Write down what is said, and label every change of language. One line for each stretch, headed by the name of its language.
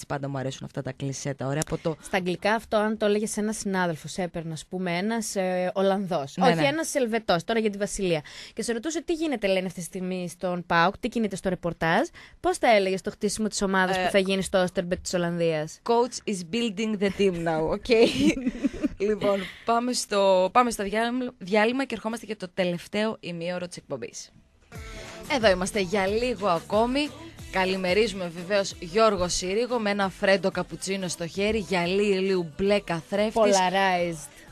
Greek: Έτσι πάντα μου αρέσουν αυτά τα κλισέ τα ωραία. Στα αγγλικά αυτό, αν το έλεγε σε ένα συνάδελφο, έπαιρνε, ας πούμε, ένας Ολλανδός. Ναι, όχι, ναι. Ένας Ελβετός, τώρα για τη Βασιλεία. Και σε ρωτούσε τι γίνεται, λένε αυτή τη στιγμή στον ΠΑΟΚ, τι γίνεται στο ρεπορτάζ, πώς θα έλεγε το χτίσιμο της ομάδας που θα γίνει στο Όστερμπεκ της Ολλανδίας.
English: Coach is building the team now, okay.
Greek: Λοιπόν, πάμε στο διάλειμμα και ερχόμαστε για το τελευταίο ημίωρο της εκπομπής. Εδώ είμαστε για λίγο ακόμη. Καλημερίζουμε βεβαίως Γιώργο Συρίγο με ένα φρέντο καπουτσίνο στο χέρι, γυαλί λίγο μπλε καθρέφτης.
English: Polarized.